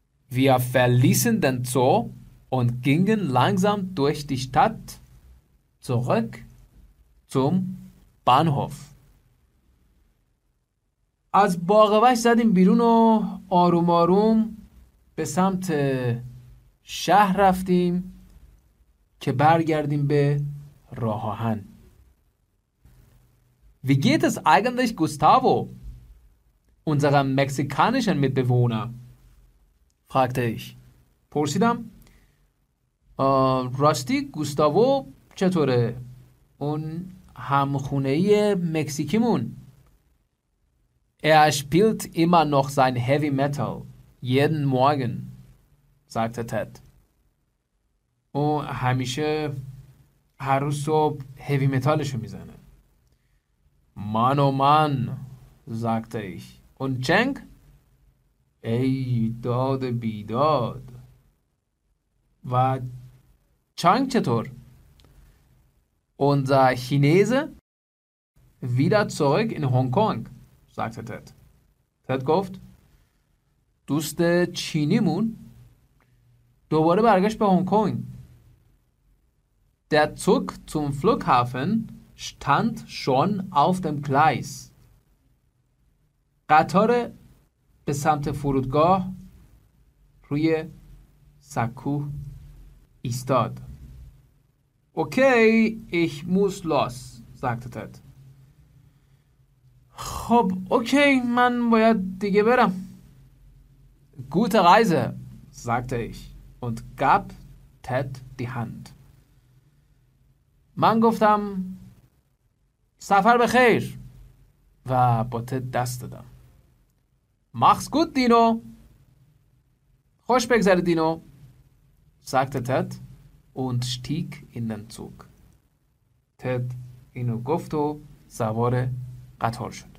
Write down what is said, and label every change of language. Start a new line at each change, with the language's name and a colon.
German: Wir verließen den Zoo und gingen langsam durch die Stadt zurück zum Bahnhof.
Persian: از باغ وحش زدیم بیرون و آروم آروم به سمت شهر رفتیم که برگردیم به راه آهن.
German: Wie geht es eigentlich Gustavo, unserem mexikanischen Mitbewohner? Fragte ich.
Persian: پرسیدم راستی گوستاوو چطوره؟ اون همخونه‌ای مکزیکیمون.
German: Er spielt immer noch sein Heavy Metal jeden Morgen, sagte Ted.
Persian: او همیشه هر روز صبح هیوی متالشو میزنه.
German: Mann oh Mann, sagte ich. Und Cenk?
Persian: Ey داد بیداد. و Cenk چطور؟
German: Unser Chinese? Wieder zurück in Hong Kong, sagte Ted.
Persian: Ted گفت دوست چینیمون دوباره برگشت به هنگ کنگ.
German: Der Zug zum Flughafen stand schon auf dem Gleis.
Persian: قطار به سمت فرودگاه روی سکو ایستاد.
German: Okay, ich muss los, sagte Ted.
Persian: خب اوکی من باید دیگه برم.
German: Gute Reise, sagte ich und gab Ted die Hand.
Persian: من گفتم سفر بخیر و با Ted دست دادم.
German: Mach's gut, Dino.
Persian: خوش بگذره Dino,
German: sagte Ted und stieg in den Zug.
Persian: Ted اینو گفت و سوار قطار شد.